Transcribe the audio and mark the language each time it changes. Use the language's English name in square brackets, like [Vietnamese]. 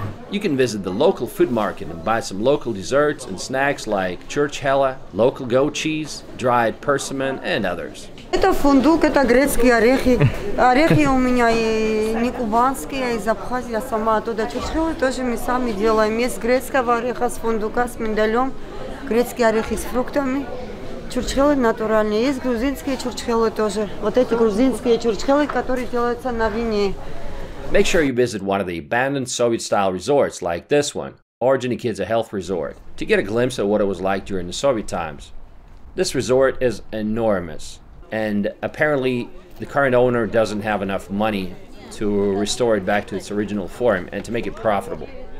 [English] You can visit the local food market and buy some local desserts and snacks like church hella, local goat cheese, dried persimmon, and others. [Russian] Это фундук, это грецкие орехи. Орехи у меня и не кубанские, а из Абхазии. Я сама оттуда чуть-чуть тоже мы сами делаем. Есть грецкого ореха с фундука, с миндалем, грецкие орехи с фруктами. Чурчхелы натуральные. Есть грузинские чурчхелы тоже. Вот эти грузинские чурчхелы, которые делаются на вине. [English] Make sure you visit one of the abandoned Soviet-style resorts like this one, Orgeny Kids a Health Resort, to get a glimpse of what it was like during the Soviet times. This resort is enormous. And apparently, the current owner doesn't have enough money to restore it back to its original form and to make it profitable.